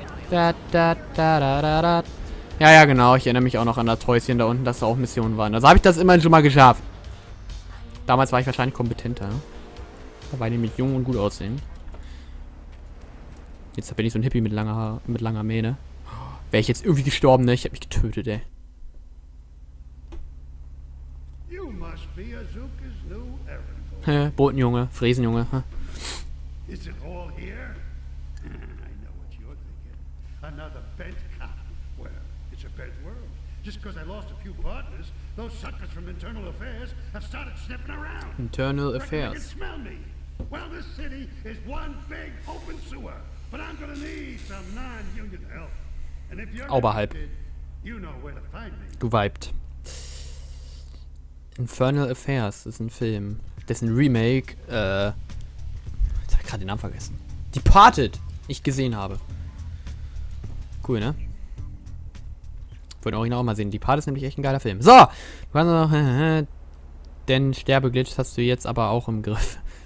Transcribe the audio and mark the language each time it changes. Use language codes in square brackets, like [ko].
[de] Da, da, da, da, da, da. Ja, ja, genau. Ich erinnere mich auch noch an das Häuschen da unten, dass da auch Missionen waren. Also habe ich das immerhin schon mal geschafft. Damals war ich wahrscheinlich kompetenter. Da war ich nämlich jung und gut aussehen. Jetzt bin ich so ein Hippie mit langer Mähne. Wäre ich jetzt irgendwie gestorben, ne? Ich habe mich getötet, ey. [en] You must be Azuka's new errand. [de] Botenjunge, Fräsenjunge. [en] Is it all here? I know what you're thinking. Another bent cop. Well, it's a bent world. just because I lost a few partners, those suckers from Internal Affairs have started sniffing around. Internal Affairs. They can smell me. Well, this city is one big open sewer, but I'm gonna need some non-union help. And if you're Oberhalb. You know where to find me. [de] Geweibt. Infernal Affairs ist ein Film, dessen Remake, ich hab gerade den Namen vergessen. Departed! Ich gesehen habe. Cool, ne? Wollte auch ihn auch mal sehen. Departed ist nämlich echt ein geiler Film. So! Du kannst noch, denn Sterbeglitch hast du jetzt aber auch im Griff.